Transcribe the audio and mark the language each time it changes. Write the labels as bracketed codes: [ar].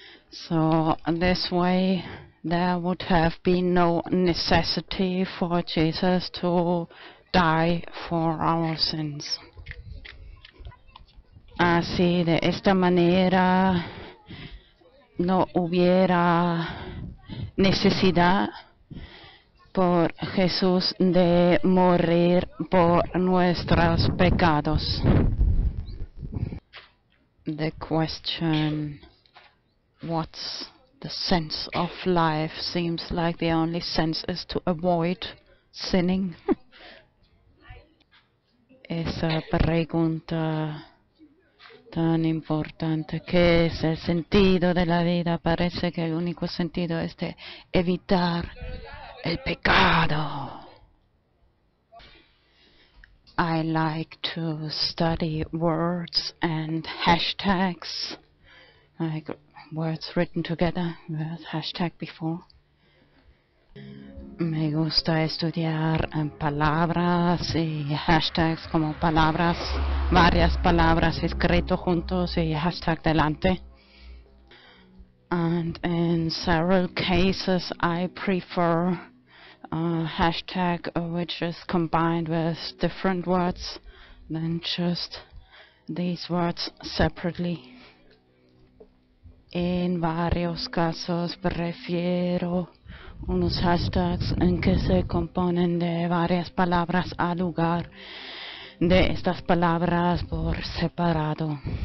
[en] So, this way, there would have been no necessity for Jesus to die for our sins. [es] Así, de esta manera, no hubiera necesidad por Jesús de morir por nuestros pecados. [en] The question, what's the sense of life? Seems like the only sense is to avoid sinning. [es] Esa pregunta tan importante, que es el sentido de la vida. Parece que el único sentido es de evitar el pecado. [en] I like to study words and hashtags, like words written together with hashtag before. [es] Me gusta estudiar palabras y hashtags, como palabras, varias palabras escrito juntos y hashtag delante. [en] And in several cases, I prefer a hashtag which is combined with different words than just these words separately. [es] En varios casos prefiero unos hashtags en que se componen de varias palabras al lugar de estas palabras por separado.